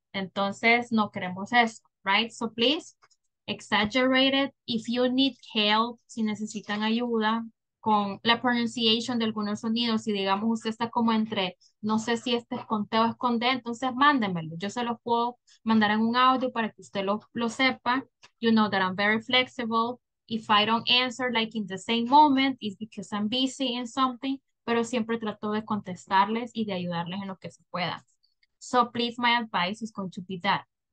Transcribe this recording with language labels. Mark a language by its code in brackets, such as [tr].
[es] Entonces, [en] no queremos eso, right? So please, exaggerate it. If you need help, [es] si necesitan ayuda con la pronunciation de algunos sonidos, si digamos usted está como entre, no sé si este es con T o es con D, entonces mándenmelo. Yo se los puedo mandar en un audio para que usted lo sepa. [en] You know that I'm very flexible. If I don't answer like in the same moment, it's because I'm busy in something. [es] Pero siempre trato de contestarles y de ayudarles en lo que se pueda. [en] So please, my advice is going to be that.